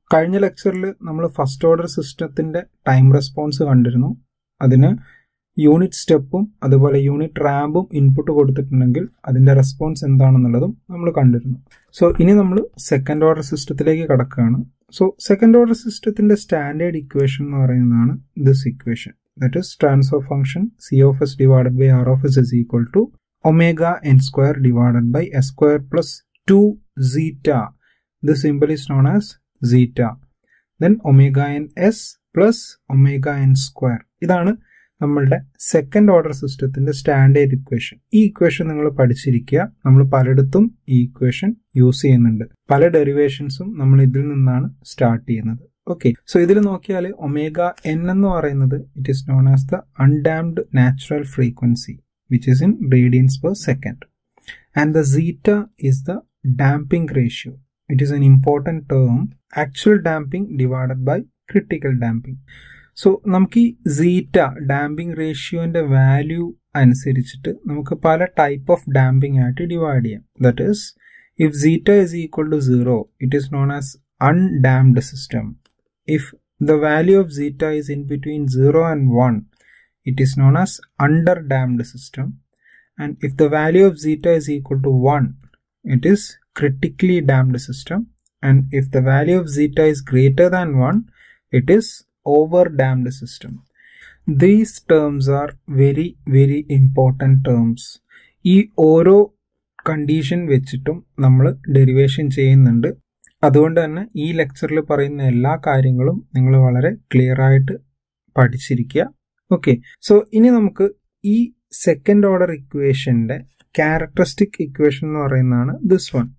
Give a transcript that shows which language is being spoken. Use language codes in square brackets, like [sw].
[ml] കഴിഞ്ഞ ലെക്ചറിൽ നമ്മൾ ഫസ്റ്റ് ഓർഡർ സിസ്റ്റത്തിൻ്റെ ടൈം റെസ്പോൺസ് കണ്ടിരുന്നു. അതിന് യൂണിറ്റ് സ്റ്റെപ്പും അതുപോലെ യൂണിറ്റ് റാമ്പും ഇൻപുട്ട് കൊടുത്തിട്ടുണ്ടെങ്കിൽ അതിൻ്റെ റെസ്പോൺസ് എന്താണെന്നുള്ളതും നമ്മൾ കണ്ടിരുന്നു. സോ ഇനി നമ്മൾ സെക്കൻഡ് ഓർഡർ സിസ്റ്റത്തിലേക്ക് കടക്കുകയാണ്. സോ സെക്കൻഡ് ഓർഡർ സിസ്റ്റത്തിൻ്റെ സ്റ്റാൻഡേർഡ് ഇക്വേഷൻ എന്ന് പറയുന്നതാണ് this equation. [en] That is transfer function C of s divided by R of s is equal to omega n square divided by s square plus 2 zeta. This symbol is known as zeta. Then omega n s plus omega n square. [ml] ഇതാണ് നമ്മളുടെ second order സിസ്റ്റത്തിൻ്റെ standard equation. ഈ equation നിങ്ങൾ പഠിച്ചിരിക്കുക. നമ്മൾ പലയിടത്തും ഈ equation use ചെയ്യുന്നുണ്ട്. പല ഡെറിവേഷൻസും നമ്മൾ ഇതിൽ നിന്നാണ് സ്റ്റാർട്ട് ചെയ്യുന്നത്. ഓക്കെ, സോ ഇതിൽ നോക്കിയാൽ ഒമേഗ എൻ എന്ന് പറയുന്നത് [en] It is known as the undamped natural frequency which is in radians per second. And the zeta is the damping ratio. It is an important term. Actual damping divided by critical damping. [ml] So നമുക്ക് ഈ സീറ്റ damping റേഷ്യോൻ്റെ value അനുസരിച്ചിട്ട് നമുക്ക് പല type of damping ആയിട്ട് divide ചെയ്യാം. [en] That is if zeta is equal to zero, it is known as undamped system. If the value of zeta is in between 0 and 1, it is known as underdamped system. And if the value of zeta is equal to 1, it is critically damped system. And if the value of zeta is greater than 1, it is overdamped system. These terms are very, very important terms. [ml] ഈ ഓരോ condition വെച്ചിട്ടും നമ്മൾ derivation ചെയ്യുന്നുണ്ട്. അതുകൊണ്ട് തന്നെ ഈ ലെക്ചറിൽ പറയുന്ന എല്ലാ കാര്യങ്ങളും നിങ്ങൾ വളരെ ക്ലിയർ ആയിട്ട് പഠിച്ചിരിക്കുക. ഓക്കെ, സോ ഇനി നമുക്ക് ഈ സെക്കൻഡ് ഓർഡർ ഇക്വേഷൻ്റെ ക്യാരക്ടറിസ്റ്റിക് ഇക്വേഷൻ എന്ന് പറയുന്നതാണ് ദിസ് വൺ.